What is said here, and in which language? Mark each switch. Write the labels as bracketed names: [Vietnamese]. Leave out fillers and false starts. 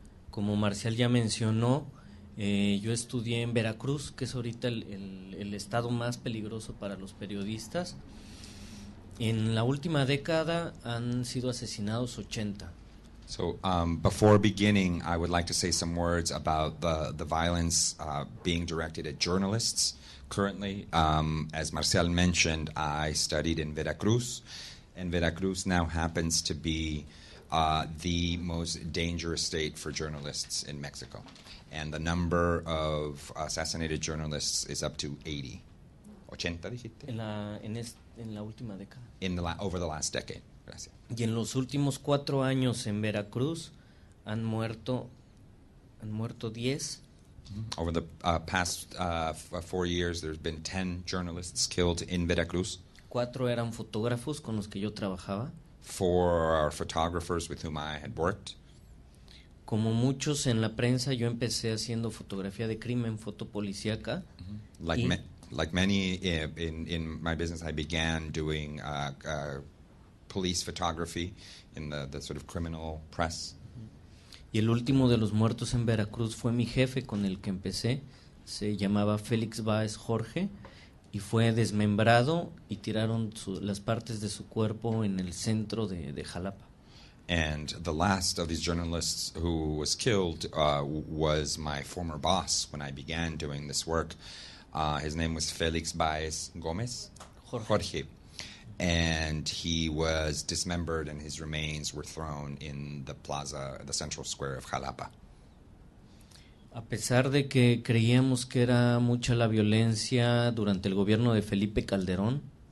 [Spanish] Como Marcial ya mencionó, yo estudié en Veracruz, que es ahorita el estado más peligroso para los periodistas. En la última década han sido asesinados 80. [English] So, before beginning, I would like to say some words about the violence being directed at journalists. Currently, as Marcial mentioned, I studied in Veracruz, and Veracruz now happens to be the most dangerous state for journalists in Mexico. And the number of assassinated journalists is up to 80. [Spanish] 80, dijiste? En la última década. [English] Over the last decade. Gracias. [Spanish] Y en los últimos 4 años en Veracruz han muerto 10. Mm-hmm. [English] Over the past 4 years, there's been 10 journalists killed in Veracruz. [Spanish] 4 eran fotógrafos con los que yo trabajaba. [English] 4 are photographers with whom I had worked. [Spanish] Como muchos en la prensa, yo empecé haciendo fotografía de crimen, foto policíaca. [English] Mm-hmm. Like many in my business, I began doing police photography in the sort of criminal press. [Spanish] Y el último de los muertos en Veracruz fue mi jefe con el que empecé. Se llamaba Félix Báez Jorge y fue desmembrado y tiraron las partes de su cuerpo en el centro de Jalapa. [English] And the last of these journalists who was killed was my former boss when I began doing this work. His name was Félix Báez Gómez, Jorge. And he was dismembered and his remains were thrown in the plaza, the central square of Jalapa. [Spanish] A pesar de que creíamos que era mucha la violencia durante el gobierno de Felipe Calderón,